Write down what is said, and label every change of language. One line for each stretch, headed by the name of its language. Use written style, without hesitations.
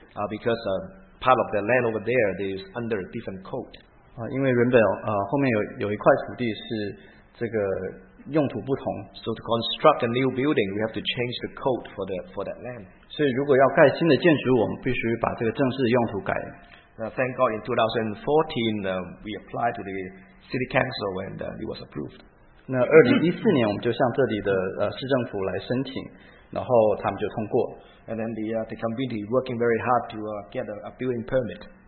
English: Because part of the land over there is under a different code.
Chinese: 因为原本 后面有一块土地是这个 用途不同,
English: so to construct a new building, we have to change the code for that land.
Chinese: 所以如果要盖新的建筑, 我们必须把这个正式用途改。
English: Thank God in 2014, we applied to the city council and it was approved.
Chinese: 那2014年, 我们就向这里的 市政府来申请, 然后他们就通过。
English: And then the community working very hard to get a building permit.